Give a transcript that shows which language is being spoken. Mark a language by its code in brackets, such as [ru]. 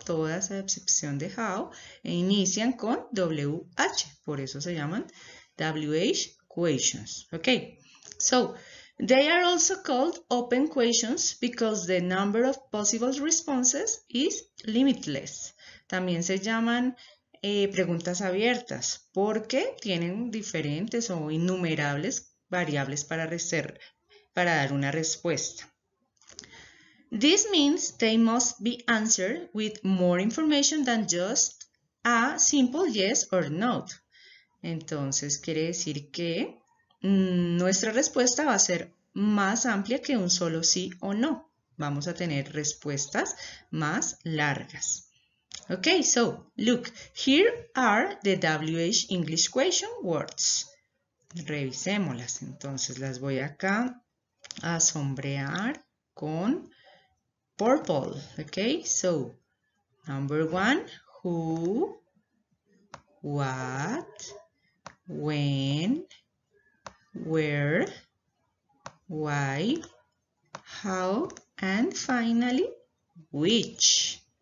[es] Todas a excepción de how inician con WH. Por eso se llaman WH. Questions. [en] Okay, so they are also called open questions because the number of possible responses is limitless. [es] También se llaman preguntas abiertas porque tienen diferentes o innumerables variables para dar una respuesta. [en] This means they must be answered with more information than just a simple yes or no. [es] Entonces quiere decir que nuestra respuesta va a ser más amplia que un solo sí o no. Vamos a tener respuestas más largas. [en] Okay, so look, here are the WH English question words. [es] Revisémoslas. Entonces las voy acá a sombrear con purple. [en] Okay, so number one, who, what, when, where, why, how, and finally, which.